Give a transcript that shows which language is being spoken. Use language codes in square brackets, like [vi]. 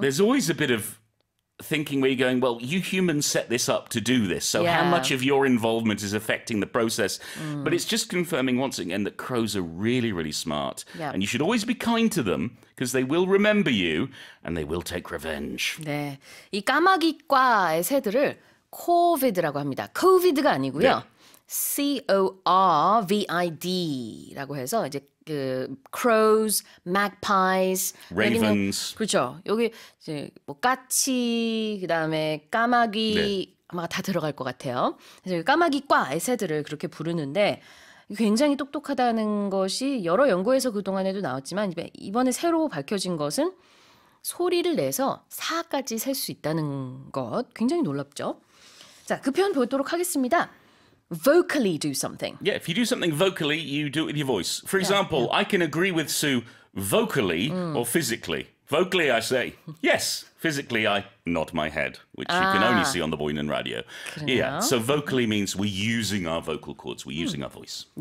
[en] there's always a bit of thinking where you're going, well, you humans set this up to do this, so yeah. how much of your involvement is affecting the process? Mm. But it's just confirming once again that crows are really, really smart. Yep. And you should always be kind to them, because they will remember you, and they will take revenge. [ko] 네, 이 까마귀과의 새들을 코비드라고 합니다. 코비드가 아니고요. 네. C-O-R-V-I-D라고 해서 이제 그 [en] crows, magpies, ravens. 뭐, [ko] 그렇죠. 여기 이제 뭐 까치, 그다음에 까마귀 네. 아마 다 들어갈 것 같아요. 그래서 까마귀과의 새들을 그렇게 부르는데 굉장히 똑똑하다는 것이 여러 연구에서 그동안에도 나왔지만 이번에 새로 밝혀진 것은 소리를 내서 4까지 셀 수 있다는 것. 굉장히 놀랍죠. 자, 그 표현 보도록 하겠습니다. [en] Vocally do something. Yeah, if you do something vocally, you do it with your voice. For example, yeah. I can agree with Sue vocally or physically. Vocally, I say, yes. Physically, I nod my head, which you can only see on the Boynen radio. [ko] 그러네요. [en] Yeah, so vocally means we're using our vocal cords, we're using our voice.